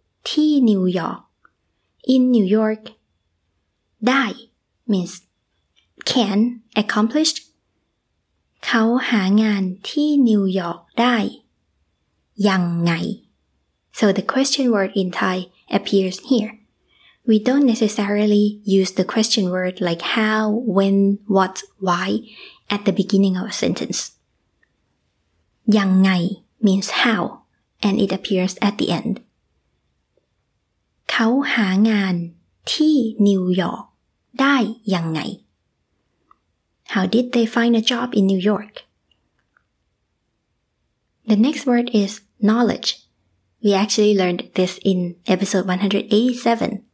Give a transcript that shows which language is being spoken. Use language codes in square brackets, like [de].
[th] ที่นิวยอร์ก [en] In New York. ได้ means can, accomplished. [th] เขาหางานที่นิวยอร์กได้ยังไง [en] So the question word in Thai appears here. We don't necessarily use the question word like how, when, what, why at the beginning of a sentence. ยังไง means how, and it appears at the end. [th] เขาหางานที่นิวยอร์กได้ยังไง [en] How did they find a job in New York? The next word is knowledge. We actually learned this in episode 187.